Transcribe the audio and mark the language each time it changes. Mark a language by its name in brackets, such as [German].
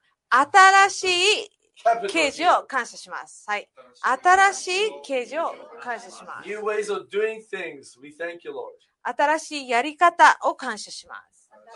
[Japanese] 新しい啓示を感謝します。はい。新しい啓示を感謝します。 [English] New ways of doing things, we thank you, Lord. [Japanese] 新しいやり方を感謝します。